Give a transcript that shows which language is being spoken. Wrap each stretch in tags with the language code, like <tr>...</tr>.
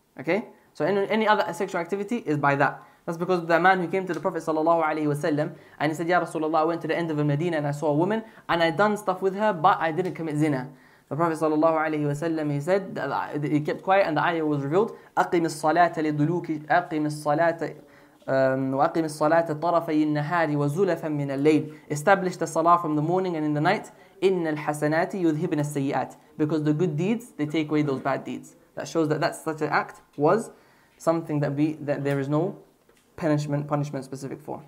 <en>Okay, so any other sexual activity is by that. That's because of the man who came to the Prophet sallallahu alaihi wasallam and he said, "Ya Rasulullah, I went to the end of the Medina and I saw a woman and I done stuff with her, but I didn't commit zina." The Prophet sallallahu alaihi wasallam he said, he kept quiet and the ayah was revealed.</en> <ar>أقم الصلاة لدلوك أقم الصلاة وأقم الصلاة طرفي النهار وزلفا من الليل.</ar> <en>Establish the salah from the morning and in the night.</en> <ar>إن الحسنات يذهبن السيئات.</ar> <en>Because the good deeds they take away those bad deeds. That shows that such an act was something that there is no punishment specific for.</en>